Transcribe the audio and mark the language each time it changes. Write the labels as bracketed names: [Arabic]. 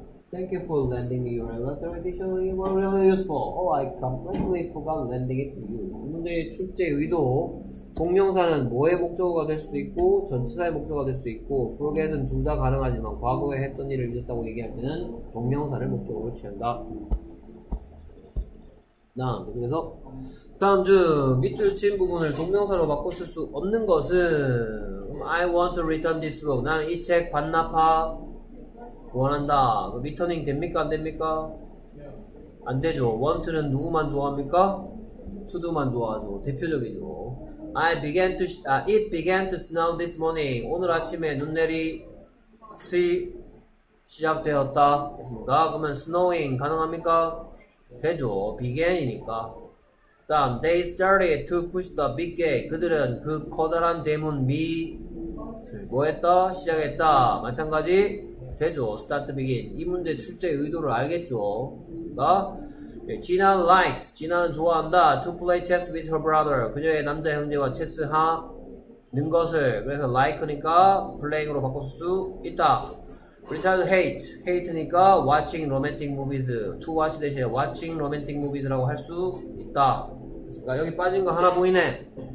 [English] Thank you for lending me your electronic dictionary. It was really useful. Oh, I completely forgot lending it to you. [Korean] 근데 출제 의도. 동명사는 뭐의 목적어가 될 수도 있고 전치사의 목적어가 될 수 있고 forget은 둘 다 가능하지만 과거에 했던 일을 잊었다고 얘기할 때는 동명사를 목적으로 취한다. 그래서 다음 중 밑줄 친 부분을 동명사로 바꿔 쓸 수 없는 것은 [English] I want to return this book. [Korean] 나는 이 책 반납하 원한다. 그 returning 됩니까 안 됩니까? 안 되죠. want는 누구만 좋아합니까? to도만 좋아하죠. 대표적이죠. [English] It began to snow this morning. [Korean] 오늘 아침에 눈 내리기 시작되었다. 됐습니까? 그러면 snowing 가능합니까? 되죠. began이니까. 다음, [English] they started to push the big gate. [Korean] 그들은 그 커다란 대문 밑을 뭐했다? 시작했다. 마찬가지? 되죠. start to begin. 이 문제 출제 의도를 알겠죠. 됐습니까? [English] Gina likes, [Korean] Gina는 좋아한다, [English] to play chess with her brother. [Korean] 그녀의 남자 형제와 체스 하는 것을. 그래서 like니까 playing으로 바꿨을 수 있다. [English] Richard hates, hate니까 watching romantic movies. [Korean] to watch 대신에 [English] watching romantic movies라고 [Korean] 할 수 있다. 그러니까 여기 빠진 거 하나 보이네.